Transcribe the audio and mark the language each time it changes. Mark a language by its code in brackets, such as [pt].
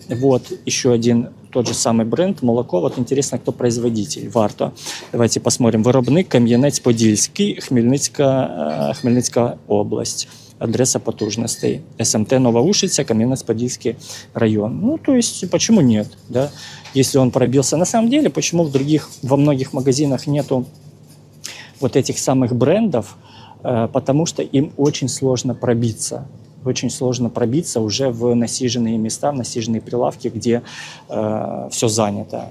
[ru] Вот еще один тот же самый бренд, молоко. Вот интересно, кто производитель? Варто. Давайте посмотрим. [uk] Виробник Кам'янець-Подільський, Хмельницька область. Адреса потужностей. СМТ Нова Ушиця, Кам'янець-Подільський район. [ru] Ну, то есть, почему нет? Да? Если он пробился. На самом деле, почему в других, во многих магазинах нету вот этих самых брендов? Потому что им очень сложно пробиться. Очень сложно пробиться уже в насиженные места, в насиженные прилавки, где все занято.